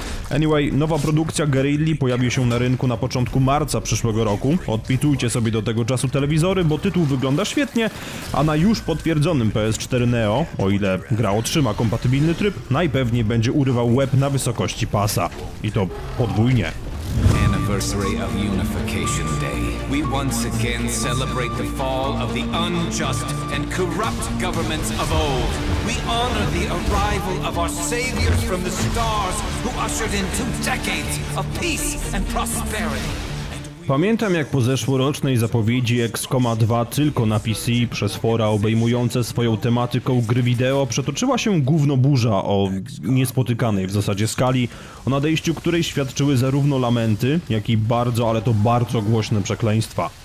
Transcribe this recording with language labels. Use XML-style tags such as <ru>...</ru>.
<pl>Anyway, nowa produkcja Guerrilli pojawi się na rynku na początku marca przyszłego roku. Odpitujcie sobie do tego czasu telewizory, bo tytuł wygląda świetnie, a na już potwierdzonym PS4 Neo, o ile gra otrzyma kompatybilny tryb, najpewniej będzie urywał łeb na wysokości pasa. I to podwójnie.</pl> <en>Anniversary of Unification Day. We once again celebrate the fall of the unjust and corrupt governments of old. We honor the arrival of our saviors from the stars who ushered in 2 decades of peace and prosperity.</en> <pl>Pamiętam, jak po zeszłorocznej zapowiedzi XCOM 2 tylko na PC przez fora obejmujące swoją tematyką gry wideo przetoczyła się gówno burza o niespotykanej w zasadzie skali, o nadejściu której świadczyły zarówno lamenty, jak i bardzo, ale to bardzo głośne przekleństwa.</pl>